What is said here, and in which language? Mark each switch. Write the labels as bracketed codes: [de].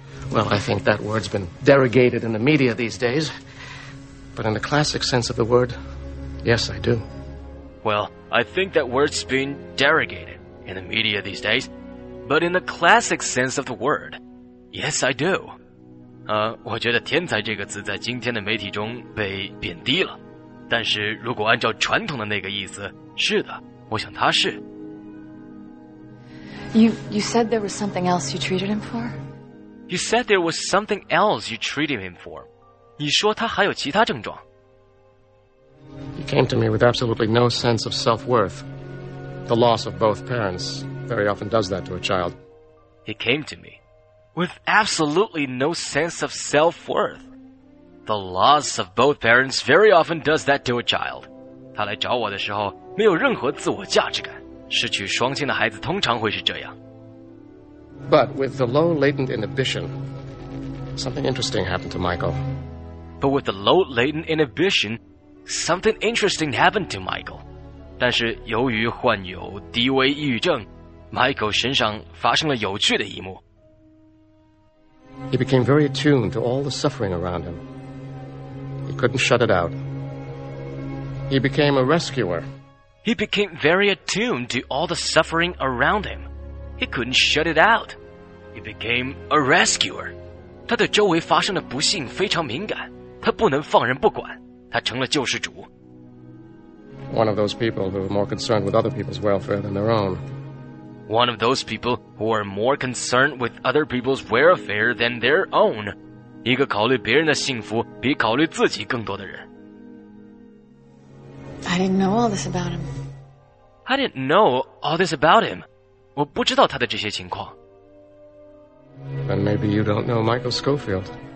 [en] Well, I think that word's been derogated in the media these days. But in the classic sense of the word, yes, I do. Well, I think that word's been derogated in the media these days. But in the classic sense of the word, yes, I do. [zh] 我觉得天才这个词在今天的媒体中被贬低了。但是如果按照传统的那个意思，是的，我想他是。 [en] You said there was something else you treated him for? You said there was something else you treated him for. [zh] 你说他还有其他症状。 [en] He came to me with absolutely no sense of self-worth. The loss of both parents very often does that to a child. He came to me with absolutely no sense of self-worth. The loss of both parents very often does that to a child. [zh] 他来找我的时候没有任何自我价值感。失去双亲的孩子通常会是这样。 [en] But with the low latent inhibition, something interesting happened to Michael. But with the low latent inhibition, something interesting happened to Michael. [zh] 但是由于患有低微抑郁症 ,Michael 身上发生了有趣的一幕。 [en] He became very attuned to all the suffering around him. He couldn't shut it out. He became a rescuer. He became very attuned to all the suffering around him. He couldn't shut it out. He became a rescuer. [zh] 他对周围发生的不幸非常敏感，他不能放任不管，他成了救世主。 [en] One of those people who are more concerned with other people's welfare than their own. One of those people who are more concerned with other people's welfare than their own. [zh] 一个考虑别人的幸福比考虑自己更多的人。 [en] I didn't know all this about him. I didn't know all this about him. [zh] 我不知道他的这些情况。 [en] Then maybe you don't know Michael Schofield.